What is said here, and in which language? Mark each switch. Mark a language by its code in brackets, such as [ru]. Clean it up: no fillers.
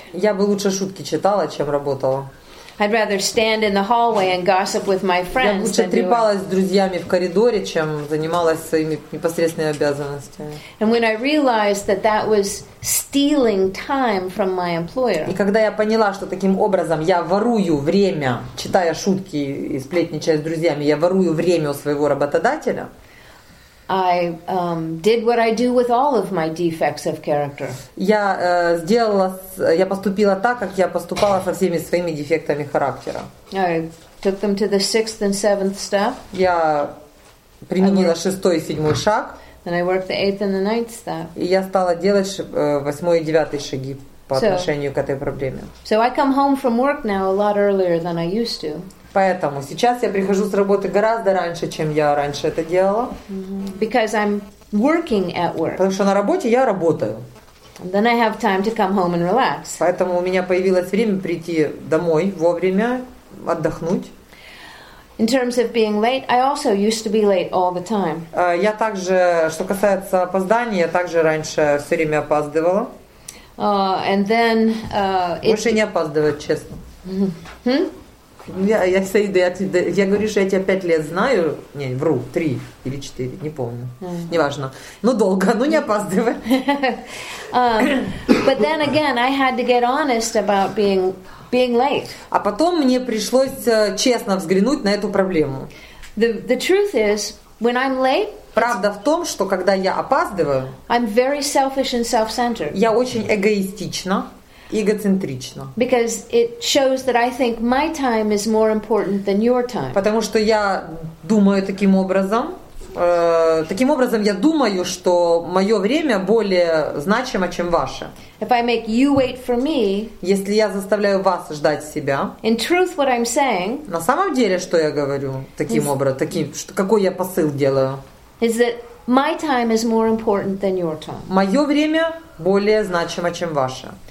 [ru] Я бы лучше шутки читала, чем работала. [en] I'd rather stand in the hallway and gossip with my friends. [ru] Я лучше трепалась с друзьями в коридоре, чем занималась своими непосредственными обязанностями. [en] And when I realized that that was stealing time from my employer. [ru] И когда я поняла, что таким образом я ворую время, читая шутки и сплетничая с друзьями, я ворую время у своего работодателя. [en] I did what I do with all of my defects of character. [ru] Я поступила так, как я поступала со всеми своими дефектами характера. [en] I took them to the sixth and seventh step. [ru] Я применила шестой и седьмой шаг. [en] And I worked the eighth and the ninth step. [ru] И я стала делать восьмой и девятый шаги по отношению к этой проблеме. [en] So I come home from work now a lot earlier than I used to. [ru] Поэтому сейчас я прихожу с работы гораздо раньше, чем я раньше это делала. [en] Because I'm working at work. [ru] Потому что на работе я работаю. [en] And then I have time to come home and relax. [ru] Поэтому у меня появилось время прийти домой вовремя, отдохнуть. [en] In terms of being late, I also used to be late all the time. [ru] Я также, что касается опозданий, я также раньше все время опаздывала. [en] And then, [ru] больше не опаздывать, честно. Я говорю, что я тебя 5 лет знаю. Не, вру, 3 или 4, не помню. Неважно. Ну, долго, ну не опаздывай. [en] But then again, I had to get honest about being late. [ru] А потом мне пришлось честно взглянуть на эту проблему. [en] The truth is, when I'm late, [ru] правда в том, что когда я опаздываю, [en] I'm very selfish and self-centered. [ru] Я очень эгоистична. Эгоцентрично. [en] Because it shows that I think my time is more important than your time. [ru] Потому что я думаю таким образом я думаю, что мое время более значимо, чем ваше. [en] If I make you wait for me, [ru] если я заставляю вас ждать себя, [en] in truth what I'm saying, [ru] на самом деле, что я говорю какой я посыл делаю, [en] is that my time is more important than your time. [ru] Мое время более значимо, чем ваше.